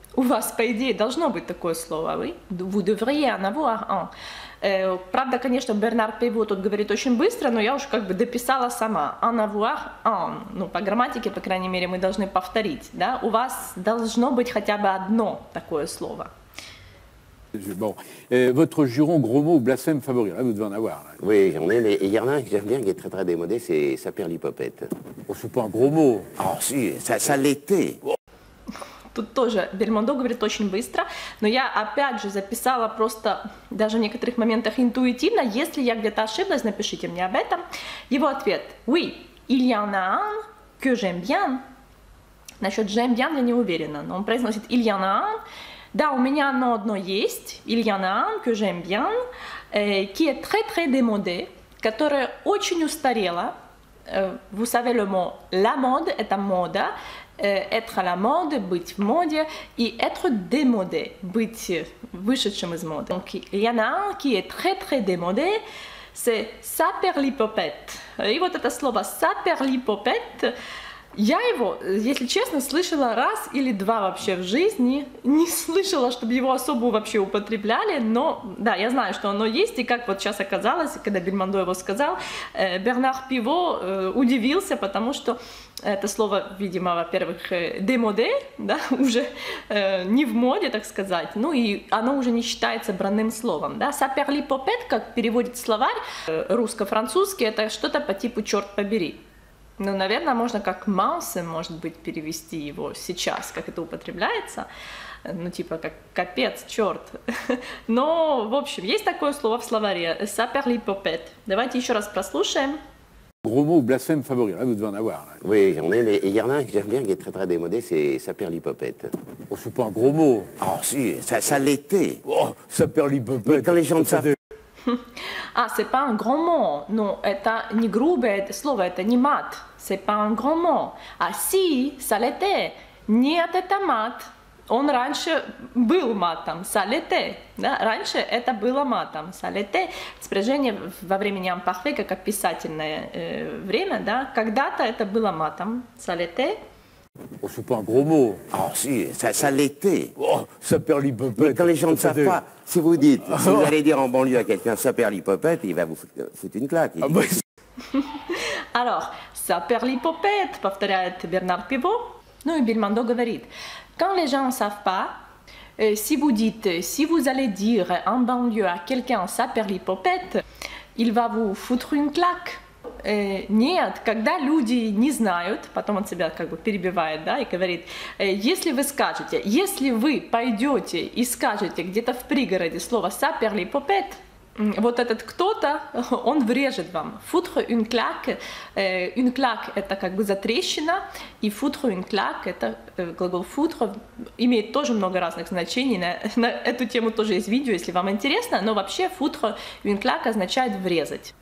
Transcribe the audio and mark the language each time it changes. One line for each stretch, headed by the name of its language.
Russian: У вас, по идее, должно быть такое слово, oui?
French: Vous devriez en avoir un.
Russian: Правда, конечно, Бернар Пиво тут говорит очень быстро, но я уж как бы дописала сама.
French: En avoir un.
Russian: Ну, по грамматике, по крайней мере, мы должны повторить, да? У вас должно быть хотя бы одно такое слово.
French: Bon. Votre juron, gros mot ou blasphème favori, là, vous devez en avoir. Là. Oui, j'en ai, mais il y en a un que j'aime bien, qui est très très démodé, c'est Saperlipopette. Oh, c'est pas un gros mot. Oh, si, ça l'était.
Russian: тут тоже Бельмондо говорит очень быстро, но я опять же записала просто даже в некоторых моментах интуитивно. Если я где-то ошиблась, напишите мне об этом. Его ответ:
French: «Oui, il y en a un que j'aime bien».
Russian: Насчет
French: «j'aime bien»
Russian: я не уверена, но он произносит
French: «il y en a un».
Russian: Да, у меня оно одно есть,
French: «il y en a un que j'aime bien», qui est très très démodé,
Russian: которое очень устарело.
French: Vous savez le mot «la mode» —
Russian: это «мода».
French: Être à la mode,
Russian: быть в моде, и
French: être démodé,
Russian: быть вышедшим из моды.
French: Donc, il y en a un qui est très très démodé, c'est «saperlipopette».
Russian: И вот это слово «saperlipopette», я его, если честно, слышала раз или два вообще в жизни, не слышала, чтобы его особо вообще употребляли, но да, я знаю, что оно есть, и как вот сейчас оказалось, когда Бельмондо его сказал, Бернар Пиво удивился, потому что это слово, видимо, во-первых, демоде, да, уже не в моде, так сказать, ну и оно уже не считается бранным словом, да, «саперлипопет», как переводит словарь русско-французский, это что-то по типу «черт побери». Ну, наверное, можно как «маусы», может быть, перевести его сейчас, как это употребляется. Ну, типа, как «капец», «черт». Но, в общем, есть такое слово в словаре «саперлипопет». Давайте еще раз прослушаем.
French: Gros mot ou blasphème favori, là, vous devez en avoir. Là. Oui, j'en ai, mais il y en a un que j'aime bien, qui est très très démodé, c'est «saperlipopette». Oh, c'est pas un gros mot. Ah, oh, si, ça l'était. Oh, «saperlipopette». Quand les gens ne savent... Ah, c'est pas un grand mot.
Russian: Non, это не грубое слово, это не мат.
French: C'est pas un grand mot. Ah si, ça l'était.
Russian: Нет, это мат. Он раньше был матом.
French: Ça l'était.
Russian: Да? Раньше это было матом.
French: Ça l'était.
Russian: Спряжение во времени ампахве, как описательное время, да? Когда-то это было матом.
French: Ça l'était. Oh, c'est pas un gros mot. Ah si, ça l'était. Oh, «saperlipopette». Mais quand les gens ne savent pas, si vous dites, si vous allez dire en banlieue à quelqu'un «saperlipopette», il va vous foutre une claque. Ah, bah...
Russian: Alors, «saperlipopette», повторяет Бернар Пиво. Ну и Бельмондо говорит,
French: quand les gens ne savent pas, si vous dites, si vous allez dire en banlieue à quelqu'un «saperlipopette», il va vous foutre une claque.
Russian: Нет, когда люди не знают, потом он себя как бы перебивает, да, и говорит, если вы скажете, если вы пойдете и скажете где-то в пригороде слово «саперлипопет», вот этот кто-то, он врежет вам. «Футхо ин кляк», «ин кляк» — это как бы затрещина, и «футхо ин кляк» — это глагол «футхо», имеет тоже много разных значений, на эту тему тоже есть видео, если вам интересно, но вообще «футхо ин кляк» означает «врезать».